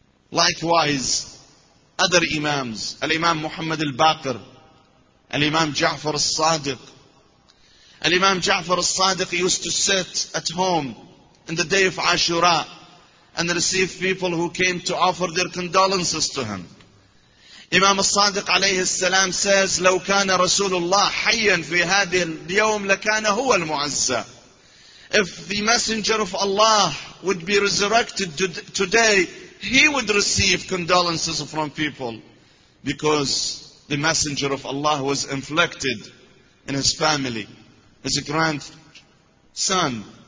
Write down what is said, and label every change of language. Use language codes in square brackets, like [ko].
[en] Likewise, other imams, Al-Imam Muhammad al-Baqir, Al-Imam Ja'far al-Sadiq. Al-Imam Ja'far al-Sadiq used to sit at home in the day of Ashura and receive people who came to offer their condolences to him. Imam al-Sadiq alayhi salam says, [ar] لو كان رسول الله حيا في هذا اليوم لكان هو المعزى. [en] If the Messenger of Allah would be resurrected today, he would receive condolences from people because the Messenger of Allah was inflicted in his family, his grandson.